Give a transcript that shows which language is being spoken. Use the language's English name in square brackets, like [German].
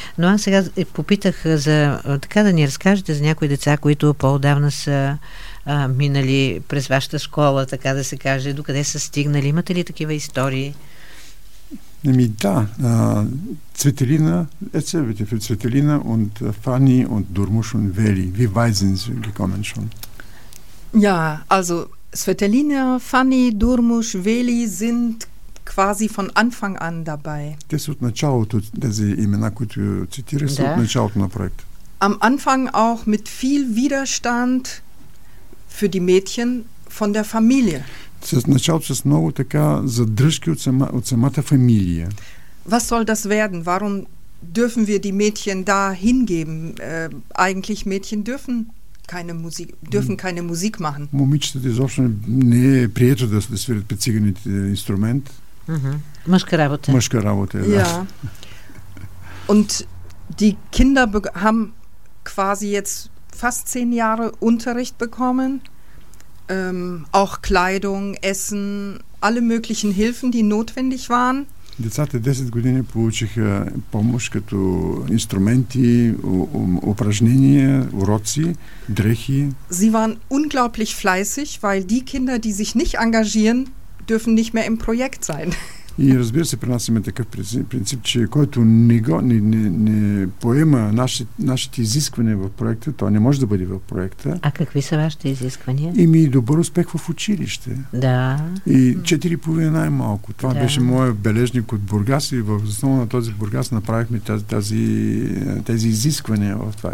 [Bulgarian] Но аз сега попитах за така да ни разкажете за някои деца, които по-отдавна са минали през вашата школа, така да се каже, докъде са стигнали. Имате ли такива истории? Ами да, Цветелина, Цветелина от Фани, от Дурмушун, Вели, [German] wie weisen Sie gekommen schon? Ja, also Цветелина, Фани, Дурмуш, Вели sind quasi von Anfang an dabei. [Bulgarian] Те са от началото, тези имена, които цитирах, са от началото на проекта. [German] Am Anfang auch mit viel Widerstand für die Mädchen von der Familie. [Bulgarian] С началото с много така задръжки от самата фамилия. [German] Was soll das werden? Warum dürfen wir die Mädchen da hingeben? Eigentlich Mädchen dürfen keine Musik machen. [Bulgarian] Момичетата изобщо не е прието да се свирят по циганите инструмент. Мъжка работа. Мъжка работа, да. [German] Und die Kinder haben quasi jetzt fast 10 Jahre Unterricht bekommen. Auch Kleidung, Essen, alle möglichen Hilfen, die notwendig waren. [Bulgarian] Децата 10 години получиха помощ като инструменти, упражнения, уроци, дрехи. [German] Sie waren unglaublich fleißig, weil die Kinder, die sich nicht engagieren, dürfen nicht mehr im Projekt sein. [Bulgarian] И разбира се, при нас има такъв принцип, че който не поема нашите изисквания в проекта, то не може да бъде в проекта. А какви са вашите изисквания? Ими добър успех в училище. Да. И 4,5 най-малко. Това да. Беше моят бележник от Бургас и в основа на този Бургас направихме тези изисквания в това.